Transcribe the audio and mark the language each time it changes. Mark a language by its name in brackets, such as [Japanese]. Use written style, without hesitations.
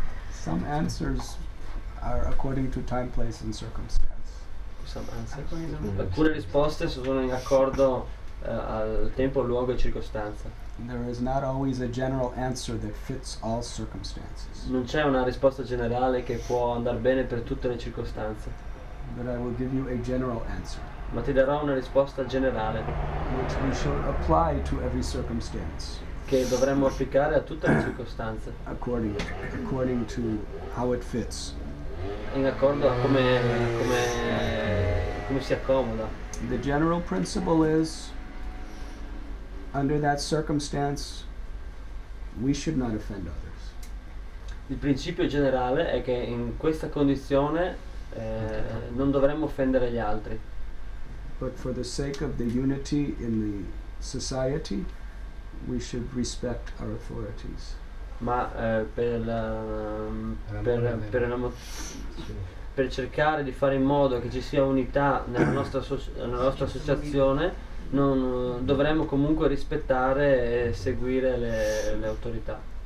[English] Some answers are according to time, place and circumstance. [Italian] Alcune risposte sono in accordo al tempo, luogo e circostanza. [English] There is not always a general answer that fits all circumstances. [Italian] Non c'è una risposta generale che può andare bene per tutte le circostanze. [English] But I will give you a general answer. [Italian] Ma ti darò una risposta generale. [English] Which we should apply to every circumstance. [Italian] Che dovremmo applicare a tutte le circostanze. [English] According to how it fits. [Italian] In accordo a come si accomoda. [English] The general principle is, under that circumstance, we should not offend others. [Italian] Il principio generale è che in questa condizione non dovremmo offendere gli altri. [English] But for the sake of the unity in the society, we should respect our authorities. [Italian] Ma per cercare di fare in modo che ci sia unità nella nostra associazione, non dovremmo comunque rispettare e seguire le autorità.